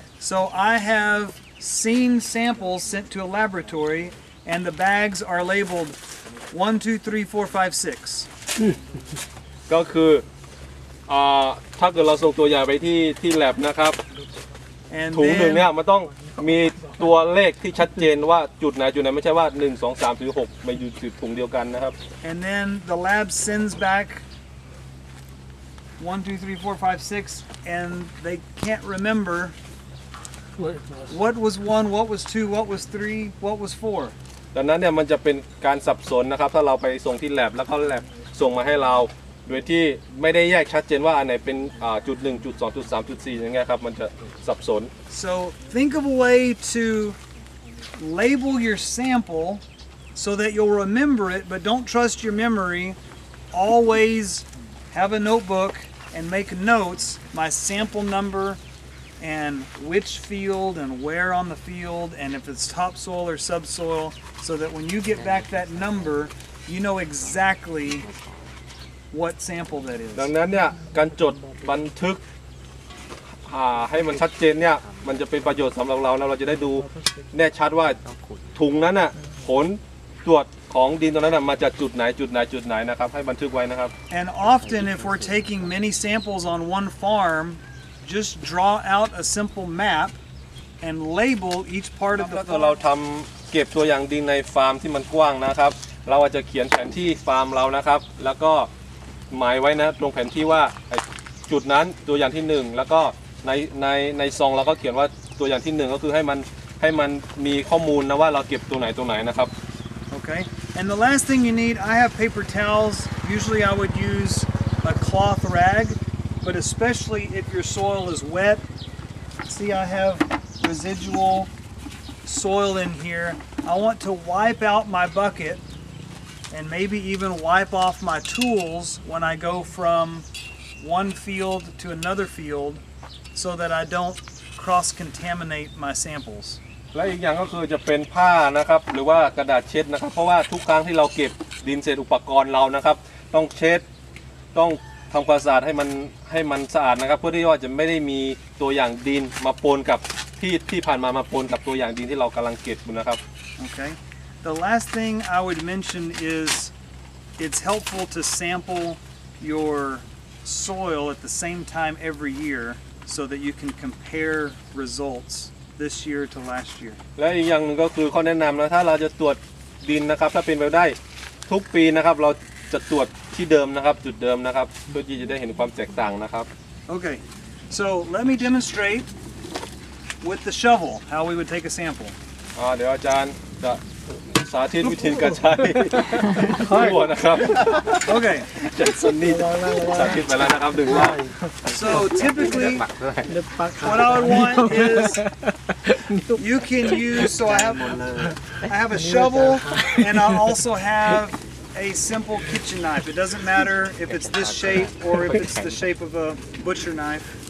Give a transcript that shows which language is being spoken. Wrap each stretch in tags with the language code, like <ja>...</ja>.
<en>So I have seen samples sent to a laboratory and the bags are labeled 1, 2, 3, 4, 5, 6.</en> <th>ก็คือถ้าเกิดเราส่งตัวอย่างไปที่แลบนะครับถุงหนึ่งเนี่ยมันต้องมีตัวเลขที่ชัดเจนว่าจุดไหนจุดไหนไม่ใช่ว่า1 2 3 4 6มาอยู่ในถุงเดียวกันนะครับ</th> <en>And then the lab sends back 1 2 3 4 5 6 and they can't remember what was 1 what was 2 what was 3 what was 4</en> <th>ดังนั้นเนี่ยมันจะเป็นการสับสนนะครับถ้าเราไปส่งที่แลบแล้วก็แลบส่งมาให้เราโดยที่ไม่ได้แยกชัดเจนว่าอันไหนเป็นจุด1จุด2จุด3จุด4อย่างเงี้ยครับมันจะสับสน</th> <en>So think of a way to label your sample so that you'll remember it but don't trust your memory always have a notebook and make notes my sample number and which field and where on the field and if it's topsoil or subsoil so that when you get back that number you know exactly what sample that is</en> <th>ดังนั้นเนี่ยการจดบันทึกให้มันชัดเจนเนี่ยมันจะเป็นประโยชน์สําหรับเราแล้วเราจะได้ดูแน่ชัดว่าถุงนั้นน่ะผลตรวจของดินตรงนั้นน่ะมาจากจุดไหนจุดไหนจุดไหนนะครับให้บันทึกไว้นะครับ</th> <en>And often if we're taking many samples on one farm just draw out a simple map and label each part of the farm</en> <th>เราทําเก็บตัวอย่างดินในฟาร์มที่มันกว้างนะครับเราอาจจะเขียนแผนที่ฟาร์มเรานะครับแล้วก็หมายไว้นะตรงแผนที่ว่าจุดนั้นตัวอย่างที่1แล้วก็ในซองเราก็เขียนว่าตัวอย่างที่1ก็คือให้มันมีข้อมูลนะว่าเราเก็บตัวไหนตรงไหนนะครับ</th> <en>โอเค and the last thing you need I have paper towels usually I would use a cloth rag but especially if your soil is wet see I have residual soil in here I want to wipe out my bucketand maybe even wipe off my tools when I go from one field to another field so that I don't cross contaminate my samples</en> <th>และอีกอย่างก็คือจะเป็นผ้านะครับหรือว่ากระดาษเช็ดนะครับเพราะว่าทุกครั้งที่เราเก็บดินเสร็จอุปกรณ์เรานะครับต้องเช็ดต้องทําความสะอาดให้มันสะอาดนะครับเพื่อที่ว่าจะไม่ได้มีตัวอย่างดินมาปนกับที่ผ่านมาปนกับตัวอย่างดินที่เรากําลังเก็บนะครับ</th> <en>โอเคThe last thing I would mention is it's helpful to sample your soil at the same time every year so that you can compare results this year to last year.</en> <th>และอีกอย่างนึงก็คือข้อแนะนำนะถ้าเราจะตรวจดินนะครับถ้าเป็นไปได้ทุกปีนะครับเราจะตรวจที่เดิมนะครับจุดเดิมนะครับเพื่อที่จะได้เห็นความแตกต่างนะครับ</th> <en>Okay. So, let me demonstrate with the shovel how we would take a sample.</en> <th>เดี๋ยวอาจารย์จะสาธิตวิธีการใช้ทั้งหมดนะครับ โอเค จัดสนนี่สาธิตไปแล้วนะครับดึงว่า</th> <en>so typically what I would want is you can use so I have a shovel and I also have a simple kitchen knife it doesn't matter if it's this shape or if it's the shape of a butcher knife</en>